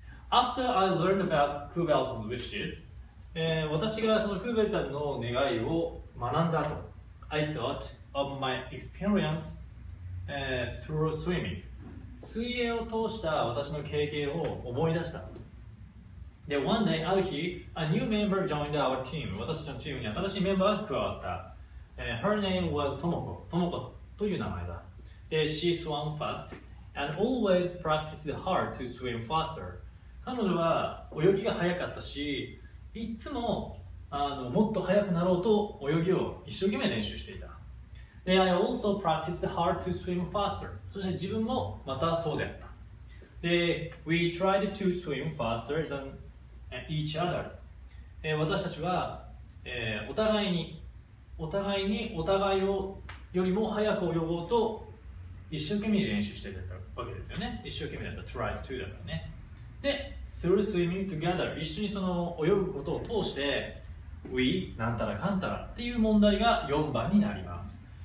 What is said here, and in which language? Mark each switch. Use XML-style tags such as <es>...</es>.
<en>After I learned about Kubelton's wishes、</en> <ja>私がそのクーベルタンの願いを学んだ後、</ja> <en>I thought of my experience、through swimming.</en> <ja>水泳を通した私の経験を思い出した。</ja> <en>で、one day,</en> <ja>ある日、</ja> <en>a new member joined our team.</en> <ja>私のチームに新しいメンバーが加わった。</ja> <en>Her name was Tomoko.</en> <ja>Tomoko という名前だ。</ja> <en>で、she swam fast and always practiced hard to swim faster.</en> <ja>彼女は泳ぎが速かったし、いつももっと速くなろうと泳ぎを一生懸命練習していた。</ja> <en>で、I also practiced hard to swim faster.</en> <ja>そして自分もまたそうであった。</ja> <en>で、we tried to swim faster than each other.</en> <ja>私たちは、お互いにお互いをよりも早く泳ごうと一生懸命練習していたわけですよね。一生懸命だった。</ja> <en>tried to</en> <ja>だからね。で、</ja> <en>through swimming together</en> <ja>一緒にその泳ぐことを通して we なんたらかんたらっていう問題が4番になります。</ja>